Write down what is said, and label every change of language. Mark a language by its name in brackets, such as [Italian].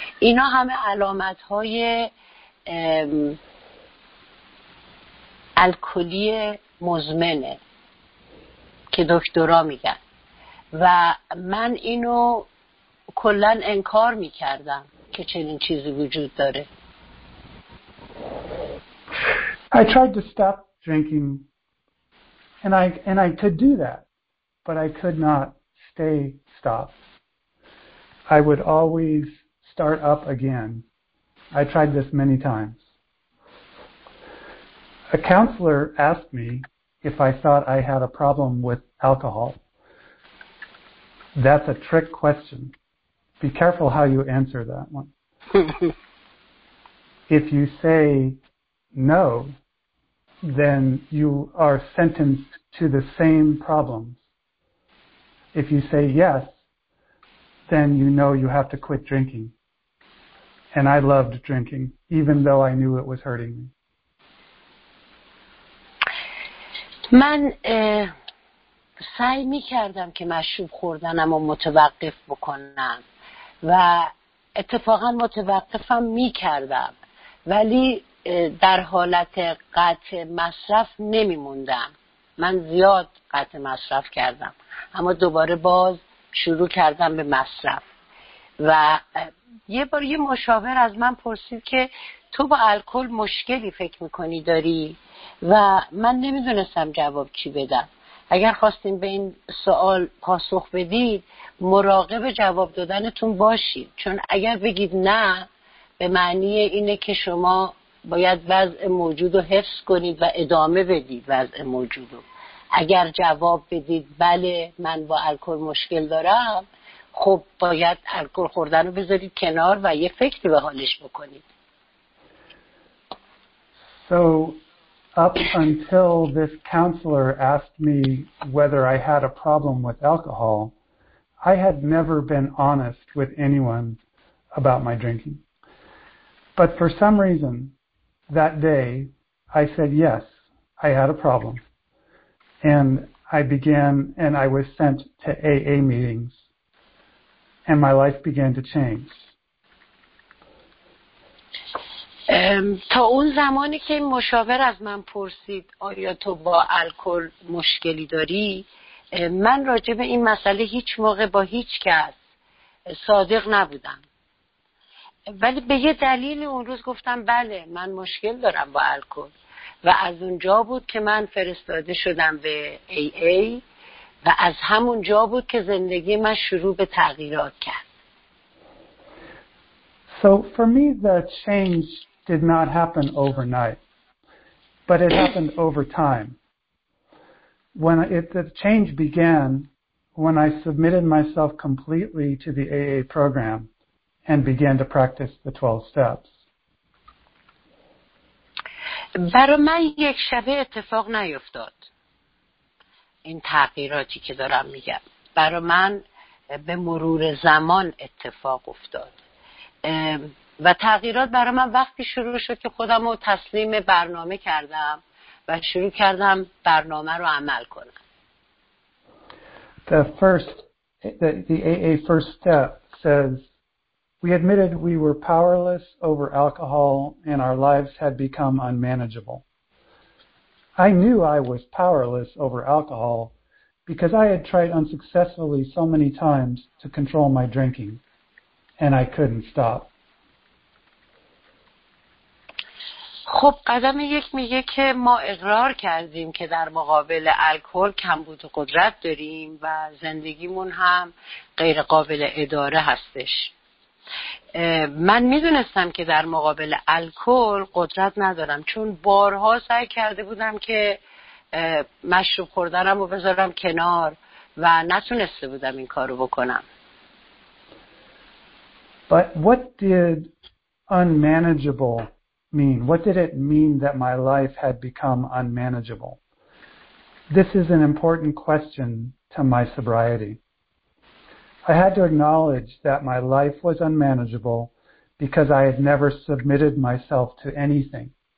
[Persian] اینا همه علامت های الکلی مزمنه که دکترا میگن و من اینو کلن انکار میکردم که چنین چیزی وجود داره. [English] I tried to stop drinking and I could do that, but I could not stay stopped. I would always start up again. I tried this many times. A counselor asked me if I thought I had a problem with alcohol. That's a trick question. Be careful how you answer that one. If you say no, then you are sentenced to the same problems. If you say yes, then you know you have to quit drinking. And I loved drinking, even though I knew it was hurting me. [Persian] من سعی می کردم که مشروب خوردنم رو متوقف بکنم و اتفاقا متوقفم می کردم، ولی در حالت قطع مصرف نمی موندم. من زیاد قطع مصرف کردم، اما دوباره باز شروع کردم به مصرف. و یه بار یه مشاور از من پرسید که تو با الکل مشکلی فکر میکنی داری؟ و من نمیدونستم جواب چی بدم. اگر خواستین به این سوال پاسخ بدید، مراقب جواب دادنتون باشید، چون اگر بگید نه به معنی اینه که شما باید وضع موجود رو حفظ کنید و ادامه بدید وضع موجود رو. اگر جواب بدید بله من با الکل مشکل دارم، خب باید الکل خوردن رو بذارید کنار و یه فکری به حالش بکنید. [English] So up until this counselor asked me whether I had a problem with alcohol, I had never been honest with anyone about my drinking. But for some reason that day I said yes, I had a problem. And I began and I was sent to AA meetings, and my life began to change. [Persian] تا اون زمانی که مشاور از من پرسید آیا تو با الکل مشکلی داری، من راجع به این مسئله هیچ موقع با هیچ کس صادق نبودم، ولی به یه دلیل اون روز گفتم بله من مشکل دارم با الکل، و از اونجا بود که من فرستاده شدم به AA و از همون جا بود که زندگی من شروع به تغییرات کرد. [English] So for me the change did not happen overnight, but it happened over time. The change began when I submitted myself completely to the AA program and began to practice the 12 steps. [Persian] برای من یک شبه اتفاق نیفتاد این تغییراتی که دارم میگم، برای من به مرور زمان اتفاق افتاد و تغییرات برای من وقتی شروع شد که خودم رو تسلیم برنامه کردم و شروع کردم برنامه رو عمل کنم. [English] The AA first step says we admitted we were powerless over alcohol and our lives had become unmanageable. I knew I was powerless over alcohol because I had tried unsuccessfully so many times to control my drinking and I couldn't stop. [Persian] خب قدم یک میگه که ما اقرار کردیم که در مقابل الکل کمبود قدرت داریم و زندگیمون هم غیر قابل اداره هستش. من میدونستم که در مقابل الکل قدرت ندارم، چون بارها سعی کرده بودم که مشروب خوردنم رو بذارم کنار و نتونسته بودم این کارو بکنم. [English] But what did unmanageable mean? What did it mean that my life had become unmanageable? This is an important question to my sobriety. I had to acknowledge that my life was unmanageable because I had never submitted myself to anything.